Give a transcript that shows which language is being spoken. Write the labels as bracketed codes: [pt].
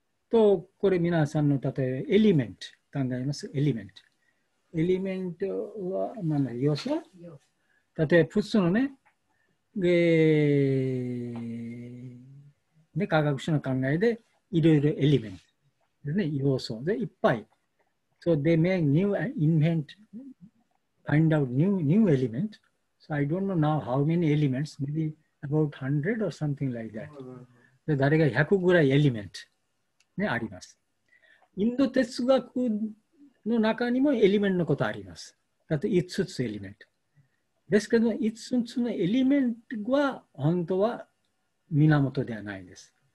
[ja] と、これ皆さんの例えばエリメント考えます。エリメント。エリメントは何だ、要素？例えば普通のね、科学者の考えでいろいろエリメントで、ね。要素でいっぱい。 [en] So they make new invent, find out new element. So I don't know now how many elements, maybe about 100 or something like that. [ja] で誰が100ぐらいエリメント、ね、あります。インド哲学の中にもエリメントのことあります。だって5つエリメント。ですけど、5つのエリメントは本当は源ではないです。